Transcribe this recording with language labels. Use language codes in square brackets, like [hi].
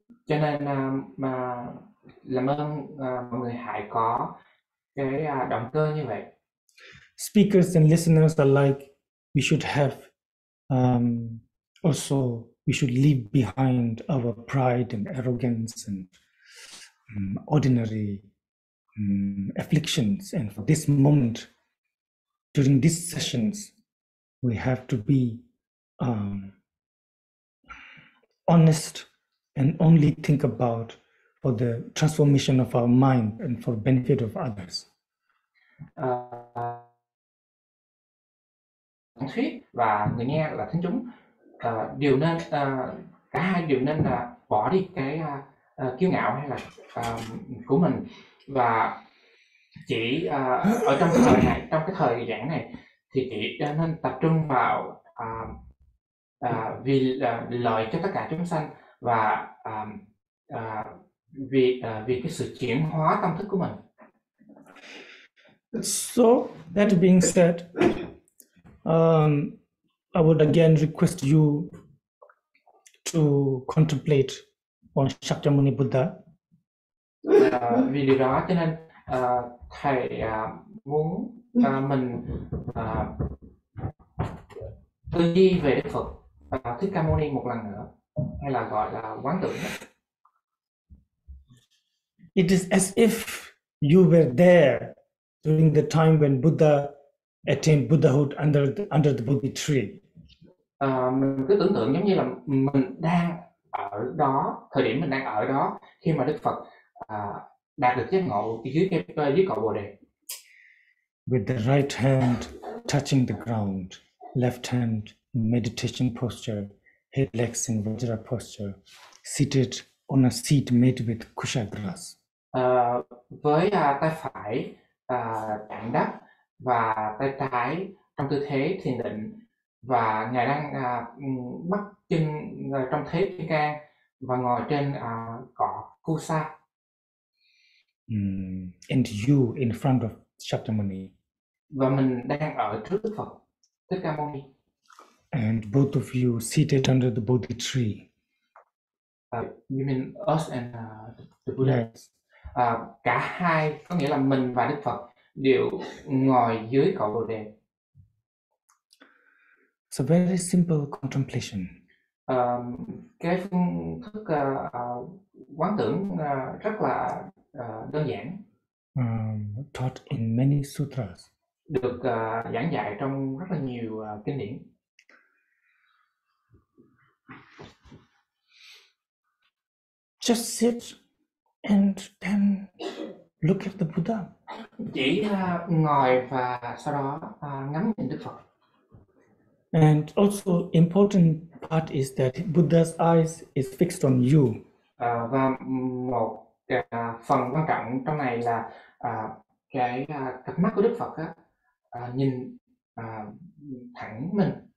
[vi] Cho nên mà làm ơn mọi người hãy có cái động cơ như vậy. [en] Speakers and listeners alike, we should have also we should leave behind our pride and arrogance and ordinary afflictions, and for this moment, during these sessions, we have to be honest and only think about for the transformation of our mind and for benefit of others. [vi] Thánh thuyết và người nghe là thánh chúng đều nên cả hai đều nên là bỏ đi cái kiêu ngạo hay là của mình và chỉ ở trong cái thời này, trong cái thời giảng này thì chỉ nên tập trung vào vì lợi cho tất cả chúng sanh và vì cái sự chuyển hóa tâm thức của mình. [en] So that being said, I would again request you to contemplate on Shakyamuni Buddha. [vi] Vì điều đó cho nên thầy muốn mình tư duy về Đức Phật Thích Ca Mâu Ni một lần nữa, hay là gọi là quán tưởng. [en] It is as if You were there during the time when Buddha attained Buddhahood under the Bodhi tree. [vi] Mình cứ tưởng tượng giống như là mình đang ở đó, thời điểm mình đang ở đó khi mà Đức Phật đạt được giác ngộ dưới cội Bồ đề. [en] With the right hand touching the ground, left hand in meditation posture, head legs in Vajra posture, seated on a seat made with kusha grass. [vi] Với tay phải chạm đất và tay trái trong tư thế thiền định, và ngài đang bắt chân trong thế thiên can và ngồi trên cỏ kusha. [en] And you in front of Shakyamuni. [vi] Và mình đang ở trước Đức Phật Thích Ca Mâu Ni. [en] And both of you seated under the Bodhi tree. You mean us and the Buddha? Yes. [vi] Cả hai, có nghĩa là mình và Đức Phật đều ngồi dưới cội Bồ đề. [en] So very simple contemplation. [vi] Cái phương thức quán tưởng rất là đơn giản. [en] Taught in many sutras. [vi] Được giảng dạy trong rất là nhiều kinh điển. [en] Just sit and then look at the Buddha. [vi] Chỉ ngồi và sau đó ngắm nhìn Đức Phật. [en] And also important part is that Buddha's eyes is fixed on you. [vi] Và một phần quan trọng trong này là cái cặp mắt của Đức Phật á nhìn thẳng mình.